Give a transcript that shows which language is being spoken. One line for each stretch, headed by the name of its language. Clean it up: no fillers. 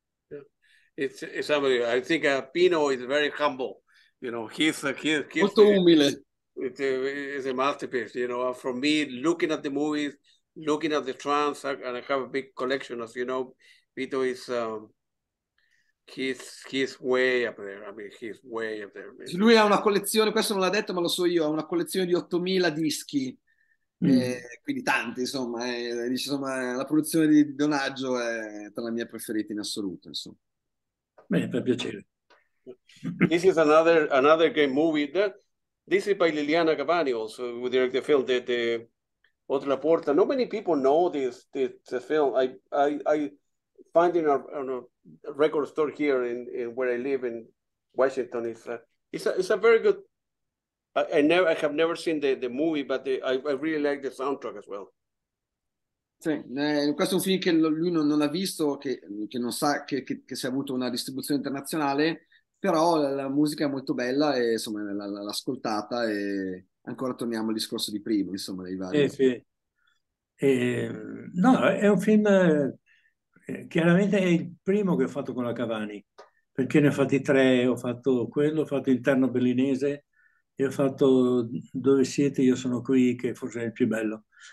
English: Yeah. I think Pino is very humble. You know, he's
Italian: molto umile.
English: It's a masterpiece. You know, for me, looking at the movies, looking at the trance, and I have a big collection. As you know, Pino is he's way up there. I mean, he's way up there.
Italian: Maybe. Lui ha una collezione. Questo non l'ha detto, ma lo so io. Ha una collezione di 8.000 dischi. Quindi tanti, insomma, la produzione di Donaggio è tra le mie preferite in assoluto, insomma. Beh, per piacere.
English: This is another great movie. This is by Liliana Cavani, also, who directed the film, the Otra Puerta. Not many people know this film. I find it on a record store here in where I live in Washington. It's a very good. I have never seen the movie, but I really like the soundtrack as well.
Italian: Sì, questo è un film che lui non ha visto, che non sa che si è avuto una distribuzione internazionale, però la musica è molto bella e insomma l'ha ascoltata, e ancora torniamo al discorso di prima, insomma, dei vari. Sì. No, è un film, chiaramente è il primo che ho fatto con la Cavani, perché ne ho fatti tre, ho fatto quello, ho fatto Interno Berlinese, e ho fatto Dove siete, io sono qui, che forse è il più bello.